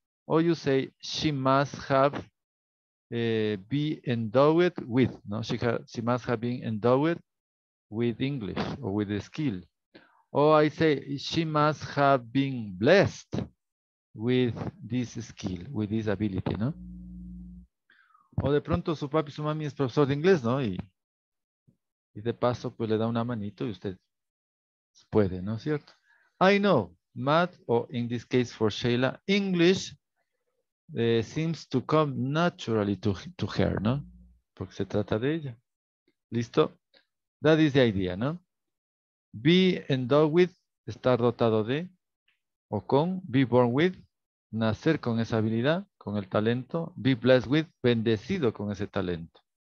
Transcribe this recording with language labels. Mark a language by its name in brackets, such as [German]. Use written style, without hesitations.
[English] Or you say, she must have been endowed with, no? She must have been endowed with English or with a skill. Or I say, she must have been blessed with this skill, with this ability, ¿no? [Spanish] O de pronto su papi, su mami es profesor de inglés, ¿no? Y de paso, pues le da una manito y usted puede, ¿no es cierto? [English] I know, math, or in this case for Sheila, English seems to come naturally to her, ¿no? [Spanish] Porque se trata de ella. ¿Listo? [English] That is the idea, [Spanish] ¿no? [English] Be endowed with, [Spanish] estar dotado de, o con, [English] be born with, [Spanish] nacer con esa habilidad, con el talento, [English] be blessed with, [Spanish] bendecido con ese talento.